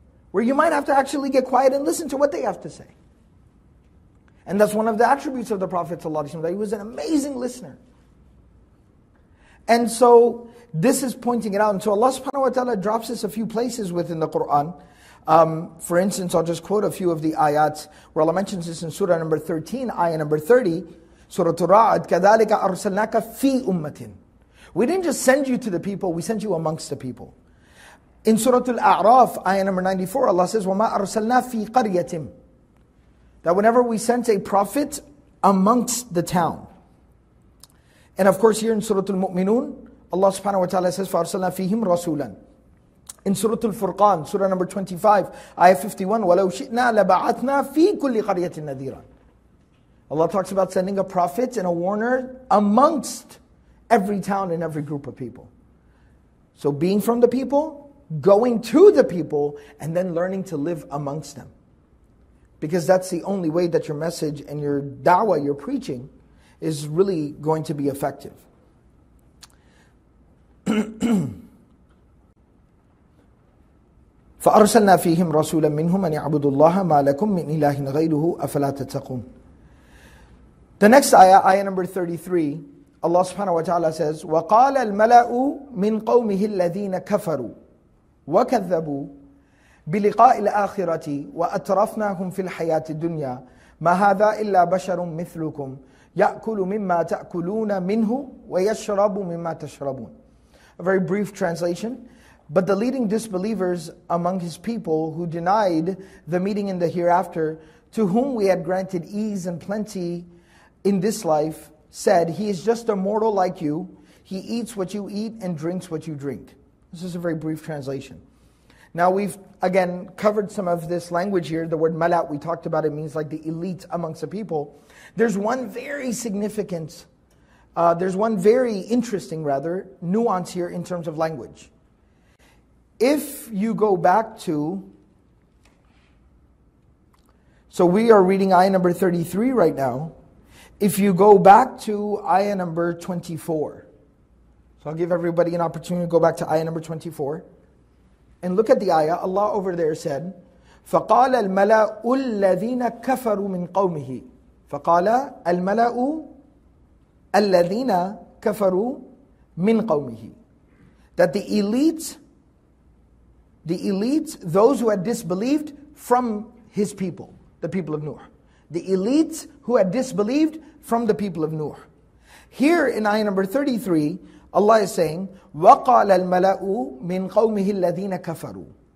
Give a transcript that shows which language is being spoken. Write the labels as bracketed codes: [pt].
[en] where you might have to actually get quiet and listen to what they have to say. And that's one of the attributes of the Prophet ﷺ, that he was an amazing listener. And so this is pointing it out. And so Allah subhanahu wa ta'ala drops this a few places within the Qur'an. For instance, I'll just quote a few of the ayats where Allah mentions this in surah number 13, ayah number 30. [ar] Surah Ra'ad, كَذَلِكَ أَرْسَلْنَاكَ فِي أُمَّةٍ. [en] We didn't just send you to the people, we sent you amongst the people. In Surah Al-A'raf, ayah number 94, Allah says, [ar] وَمَا أَرْسَلْنَا فِي قَرْيَةٍ. [en] That whenever we sent a prophet amongst the town. And of course here in Surah Al-Mu'minun, Allah subhanahu wa ta'ala says, [ar] فَأَرْسَلْنَا فِيهِمْ رَسُولًا. [en] In Surah Al-Furqan, Surah number 25, ayah 51, [ar] وَلَوْ شِئْنَا لَبَعَثْنَا فِي كُلِّ قَرْيَةٍ نَذِيرًا. [en] Allah talks about sending a prophet and a warner amongst every town and every group of people. So being from the people, going to the people, and then learning to live amongst them. Because that's the only way that your message and your da'wah, your preaching, is really going to be effective. [ar] فَأَرْسَلْنَا فِيهِمْ رَسُولًا مِّنْهُمْ أَنْ يَعْبُدُ اللَّهَ مَا لَكُمْ مِنْ إِلَهٍ غَيْرُهُ أَفَلَا تَتَّقُونَ. [en] The next ayah, ayah number 33, Allah subhanahu wa ta'ala says, [ar] وَقَالَ الْمَلَأُ مِنْ قَوْمِهِ الَّذِينَ كَفَرُوا وَكَذَّبُوا بِلِقَاءِ الْآخِرَةِ وَأَتْرَفْنَاهُمْ فِي الْحَيَاةِ الدُّنْيَا مَا هَذَا إِلَّا بَشَرٌ مِثْلُكُمْ يَأْكُلُ مِمَّا تَأْكُلُونَ مِنْهُ وَيَشْرَبُ مِمَّا تَشْرَبُونَ. [en] A very brief translation. But the leading disbelievers among his people who denied the meeting in the hereafter, to whom we had granted ease and plenty in this life, said, he is just a mortal like you. He eats what you eat and drinks what you drink. This is a very brief translation. Now we've again covered some of this language here. The word mala', we talked about it, means like the elite amongst the people. There's one very significant, there's one very interesting nuance here in terms of language. If you go back to, so we are reading ayah number 33 right now. If you go back to ayah number 24, so I'll give everybody an opportunity to go back to ayah number 24, and look at the ayah. Allah over there said, [ar] فَقَالَ الْمَلَأُ الَّذِينَ كَفَرُوا مِنْ قَوْمِهِ فَقَالَ الْمَلَأُ الَّذِينَ كَفَرُوا مِنْ قَوْمِهِ. [en] That the elite, those who had disbelieved from his people, the people of Nuh. The elite who had disbelieved from the people of Nuh. Here in ayah number 33, Allah is saying, [ar] وَقَالَ الْمَلَأُ مِنْ قَوْمِهِ الَّذِينَ كَفَرُوا.